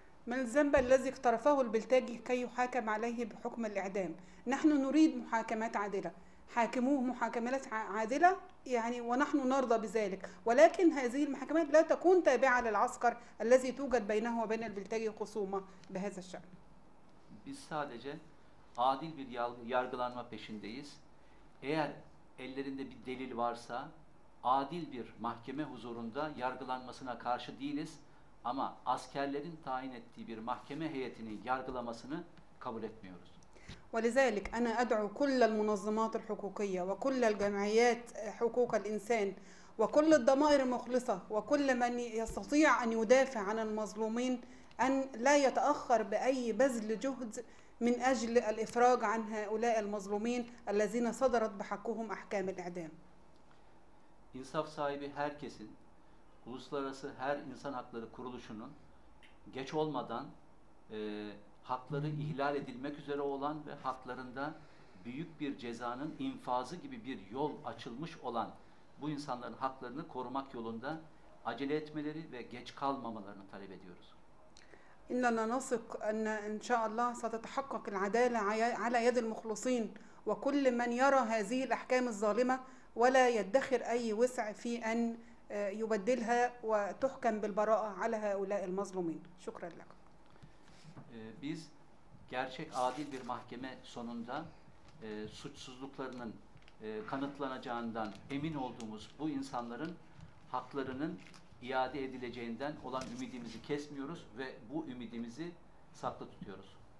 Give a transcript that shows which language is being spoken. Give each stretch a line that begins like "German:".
Arabic: ما الذنب الذي اقترفه البلتاجي كي يحاكم عليه بحكم الإعدام؟ نحن نريد محاكمات عادلة، حاكموه محاكمات عادلة يعني ونحن نرضى بذلك، ولكن هذه المحاكمات لا تكون تابعة للعسكر الذي توجد بينه وبين البلتاجي خصومة بهذا الشأن.
Turkish: Biz sadece adil bir yargılanma peşindeyiz. Eğer ellerinde bir delil varsa adil bir mahkeme huzurunda yargılanmasına karşı değiliz. Ama askerlerin tayin ettiği bir mahkeme heyetinin yargılamasını kabul etmiyoruz.
Arabic: ولذلك أنا أدعو كل المنظمات الحقوقية وكل الجمعيات حقوق الإنسان وكل الضمائر المخلصة وكل من يستطيع أن يدافع عن المظلومين أن لا يتأخر بأي بذل جهد من أجل الإفراج عن هؤلاء المظلومين الذين صدرت بحقهم أحكام الإعدام.
Turkish: İnsaf sahibi herkesin Uluslararası her insan hakları kuruluşunun geç olmadan hakları ihlal edilmek üzere olan ve haklarında büyük bir cezanın infazı gibi bir yol açılmış olan bu insanların haklarını korumak yolunda acele etmeleri ve geç kalmamalarını talep ediyoruz.
Arabic: إننا نثق أن إن شاء الله ستتحقق العدالة على يد المخلصين وكل من يرى هذه الأحكام الظالمة ولا يدخر أي وسع في أن يبدلها وتحكم بالبراءة على هؤلاء المظلومين. شكرا لكم.
Turkish: Biz gerçek adil bir mahkeme sonunda suçsuzluklarının kanıtlanacağından emin olduğumuz bu insanların haklarının iade edileceğinden olan ümidimizi kesmiyoruz ve bu ümidimizi saklı tutuyoruz.